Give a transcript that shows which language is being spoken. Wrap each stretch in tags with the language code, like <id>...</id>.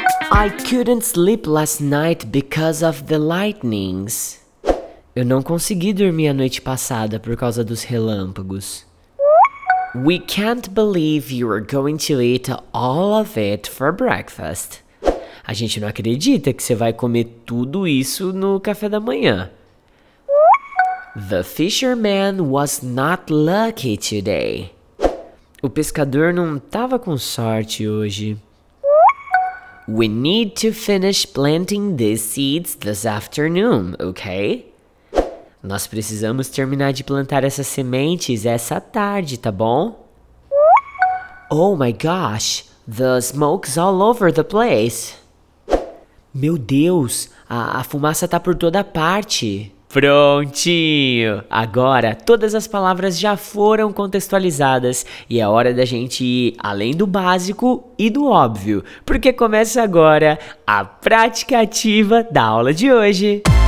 <en>I couldn't sleep last night because of the lightnings.</en> <pt>Eu não consegui dormir a noite passada por causa dos relâmpagos.</pt> <en>We can't believe you are going to eat all of it for breakfast.</en> <pt>A gente não acredita que você vai comer tudo isso no café da manhã.</pt> <en>The fisherman was not lucky today.</en> <pt>O pescador não tava com sorte hoje.</pt> <en>We need to finish planting these seeds this afternoon, okay?</en> <pt>Nós precisamos terminar de plantar essas sementes essa tarde, tá bom?</pt> <en>Oh my gosh, the smoke's all over the place.</en> <pt>Meu Deus, a fumaça tá por toda parte. Prontinho! Agora todas as palavras já foram contextualizadas e é hora da gente ir além do básico e do óbvio, porque começa agora a prática ativa da aula de hoje.</pt>